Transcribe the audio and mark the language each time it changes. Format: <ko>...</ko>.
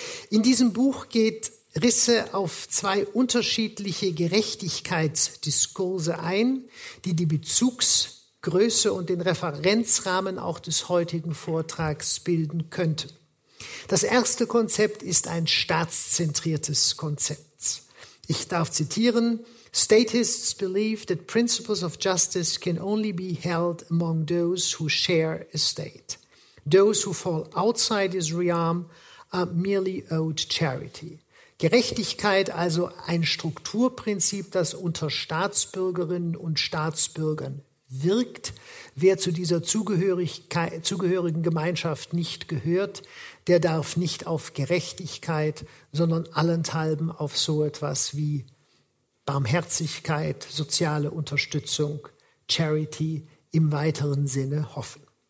<de>In diesem Buch geht Risse auf zwei unterschiedliche Gerechtigkeitsdiskurse ein, die die Bezugsgröße und den Referenzrahmen auch des heutigen Vortrags bilden könnten. Das erste Konzept ist ein staatszentriertes Konzept.</de> <en>Ich darf zitieren: Statists believe that principles of justice can only be held among those who share a state. Those who fall outside this realm are merely owed charity.</en> <de>Gerechtigkeit, also ein Strukturprinzip, das unter Staatsbürgerinnen und Staatsbürgern wirkt. Wer zu dieser zugehörigen Gemeinschaft nicht gehört, der darf nicht auf Gerechtigkeit, sondern allenthalben auf so etwas wie Barmherzigkeit, soziale Unterstützung, Charity im weiteren Sinne hoffen.</de>